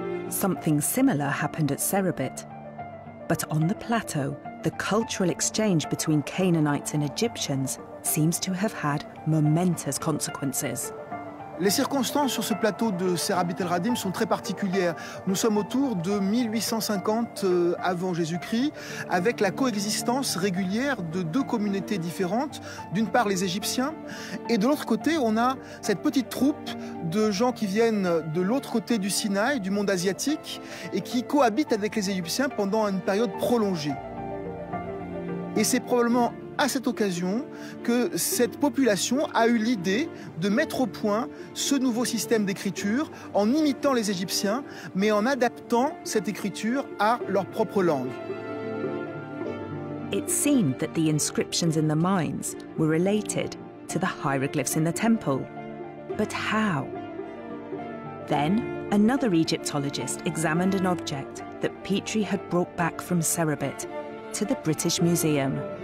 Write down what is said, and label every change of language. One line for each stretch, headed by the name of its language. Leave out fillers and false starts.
English: Something similar happened at Serabit, but on the plateau, the cultural exchange between Canaanites and Egyptians seems to have had momentous consequences.
French: Les circonstances sur ce plateau de Serabit El Radim sont très particulières. Nous sommes autour de 1850 avant Jésus-Christ, avec la coexistence régulière de deux communautés différentes. D'une part, les Égyptiens, et de l'autre côté, on a cette petite troupe de gens qui viennent de l'autre côté du Sinaï, du monde asiatique, et qui cohabitent avec les Égyptiens pendant une période prolongée. Et c'est probablement à cette occasion que cette population a eu l'idée de mettre au point ce nouveau système d'écriture en imitant les Égyptiens, mais en adaptant cette écriture à leur propre langue.
English: It seemed that the inscriptions in the mines were related to the hieroglyphs in the temple. But how? Then, another Egyptologist examined an object that Petrie had brought back from Serabit to the British Museum.